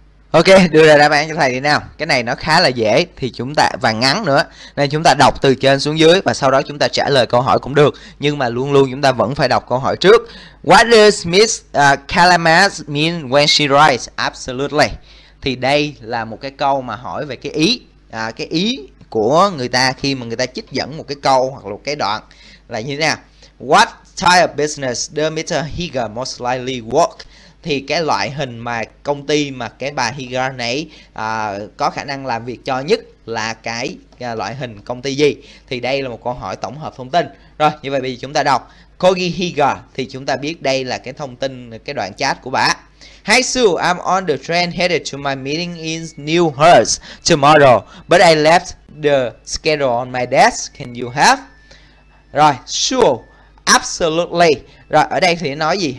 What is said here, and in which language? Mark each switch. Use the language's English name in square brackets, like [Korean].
[Vietnamese] Ok, đưa ra đáp án cho thầy đi nào. Cái này nó khá là dễ thì chúng ta và ngắn nữa. Nên chúng ta đọc từ trên xuống dưới và sau đó chúng ta trả lời câu hỏi cũng được. Nhưng mà luôn luôn chúng ta vẫn phải đọc câu hỏi trước. [English] What does Miss Calamas mean when she writes? Absolutely. [Vietnamese] Thì đây là một cái câu mà hỏi về cái ý. Cái ý của người ta khi mà người ta trích dẫn một cái câu hoặc là một cái đoạn là như thế nào? [English] What type of business does Mr. Higa most likely work? [Vietnamese] Thì cái loại hình mà công ty mà cái bà Higa này có khả năng làm việc cho nhất là cái loại hình công ty gì? Thì đây là một câu hỏi tổng hợp thông tin. Rồi, như vậy bây giờ chúng ta đọc Kogi Higa thì chúng ta biết đây là cái thông tin, cái đoạn chat của bà. [English] Hi Sue, I'm on the train headed to my meeting in New Hurst tomorrow, but I left the schedule on my desk. Can you help? [Vietnamese] Rồi, Sue, absolutely. Rồi, ở đây thì nói gì?